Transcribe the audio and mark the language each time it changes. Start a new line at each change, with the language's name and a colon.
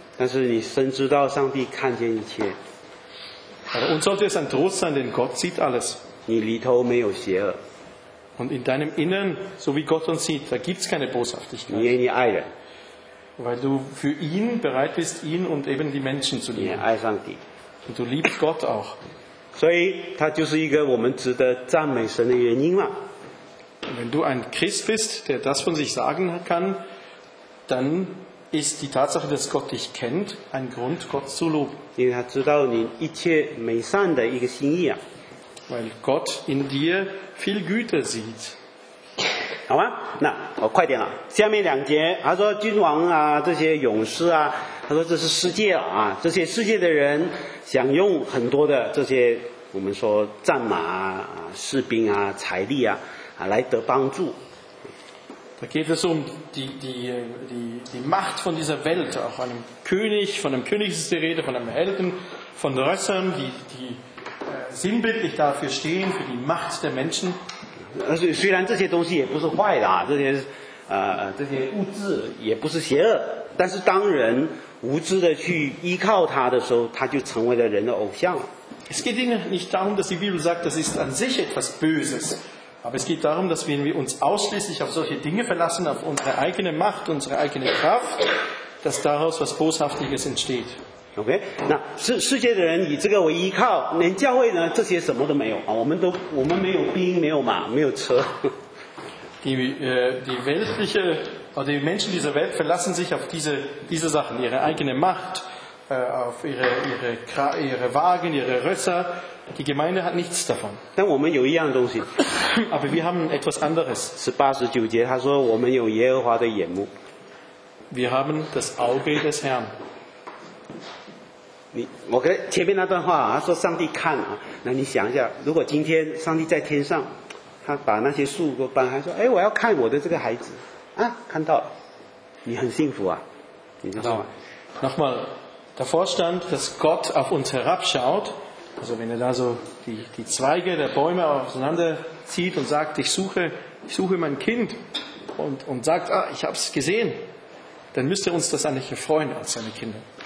German: Aber uns sollte es ein Trost sein, denn Gott sieht alles.
Chinese: 你里头没有邪恶。
German: Und in deinem Innern, so wie Gott uns sieht, da gibt es keine Boshaftigkeit.
Chinese: 你愿意爱人。
German: Weil du für ihn bereit bist, ihn und eben die Menschen zu lieben.
Chinese: 你爱上帝。
German: Und du liebst Gott auch.
Chinese: 所以他就是一个我们值得赞美神的原因了。
German: Wenn du ein Christ bist, der das von sich sagen kann, dann ist die Tatsache, dass Gott dich kennt, ein Grund, Gott zu loben. Weil Gott in dir viel Güte sieht.
Chinese: 好吗？那我快点了。下面两节，他说君王啊，这些勇士啊，他说这是世界啊，这些世界的人想用很多的这些我们说战马啊、士兵啊、财力啊。来得帮助。
German: Da geht es um die Macht von dieser Welt, auch einem König, von einem König ist die Rede, von einem Helden, von Rössern, die sinnbildlich dafür stehen, für die Macht der Menschen.
Chinese: 虽然这些东西也不是坏的，这些物质也不是邪恶，但是当人无知的去依靠它的时候，它就成为了人的偶像。
German: Es geht ihnen nicht darum, dass die Bibel sagt, das ist an sich etwas Böses. Aber es geht darum, dass wenn wir uns ausschließlich auf solche Dinge verlassen, auf unsere eigene Macht, unsere eigene Kraft, dass daraus was Boshaftiges entsteht.
Chinese: Okay, 那世界的人以这个为依靠，连教会呢，这些什么都没有啊，我们没有兵，没有马，没有车。
German: Die weltliche, oder die Menschen dieser Welt verlassen sich auf diese Sachen, ihre eigene Macht, auf ihre Wagen, ihre Rösser. Die Gemeinde hat nichts davon.
Chinese: 但我们有一样东西。
German: Aber wir haben etwas anderes.
Chinese: 十八十九节他说我们有耶和华的眼目。
German: Wir haben das Auge des Herrn.
Chinese: 你我跟前面那段话他说上帝看啊，那你想一下，如果今天上帝在天上，他把那些树都搬开，说哎，我要看我的这个孩子啊，看到了，你很幸福啊，你知道吗
German: ？Nochmal, davor stand, dass Gott auf uns herabschaut. Also wenn er da so die Zweige der Bäume auseinanderzieht und sagt, ich suche mein Kind und sagt, ah, ich habe es gesehen, dann müsste uns das eigentlich freuen als seine Kinder.